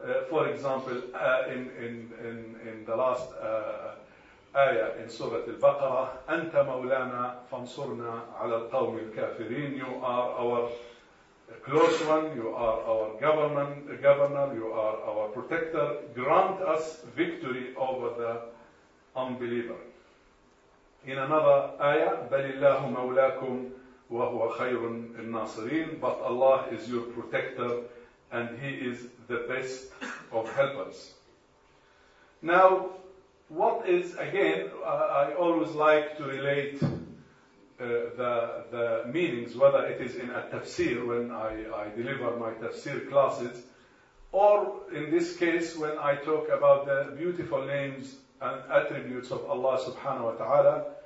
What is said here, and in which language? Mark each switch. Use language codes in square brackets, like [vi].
[en] For example, in the last ayah in Surah Al-Baqarah, [ar] أَنْتَ مَوْلَانَا فَانْصُرْنَا عَلَى الْقَوْمِ الْكَافِرِينَ. [en] You are our close one, you are our governor, you are our protector. Grant us victory over the unbeliever. In another ayah, [ar] بَلِ اللَّهُ مَوْلَاكُمْ وَهُوَ خَيْرٌ النَّاصِرِينَ. [en] But Allah is your protector and He is the best of helpers. Now, What is, again, I always like to relate the meanings, whether it is in a tafsir, when I deliver my tafsir classes, or in this case, when I talk about the beautiful names and attributes of Allah subhanahu wa ta'ala,